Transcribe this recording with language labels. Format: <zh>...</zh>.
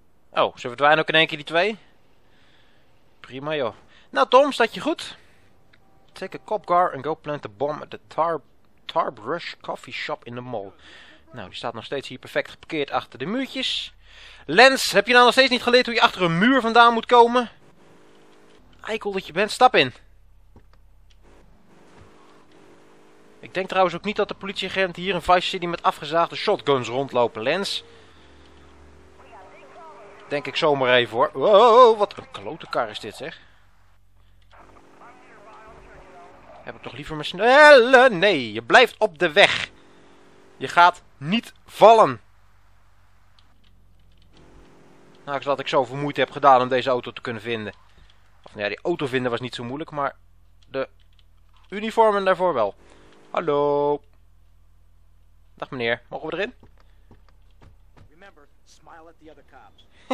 <nl>Oh, ze verdwijnen ook in één keer die 2. Prima joh. Nou Tom, staat je goed?</nl> <en>Take a cop car and go plant a bomb at the Tarbrush coffee shop in the mall.</en> <nl>Nou, die staat nog steeds hier perfect geparkeerd achter de muurtjes. Lens, heb je nou nog steeds niet geleerd hoe je achter een muur vandaan moet komen? Eikel dat je bent, stap in. Ik denk trouwens ook niet dat de politieagent hier in Vice City met afgezaagde shotguns rondlopen, Lens. Denk ik zomaar even hoor. Wow, wat een klote kar is dit zeg. Heb ik toch liever mijn snelle... Nee, je blijft op de weg. Je gaat niet vallen. Nou, dat ik zoveel moeite heb gedaan om deze auto te kunnen vinden. Of nou ja, die auto vinden was niet zo moeilijk, maar de uniformen daarvoor wel. Hallo. Dag meneer, mogen we erin?</nl> <en>Remember, smile at the other cops.</en>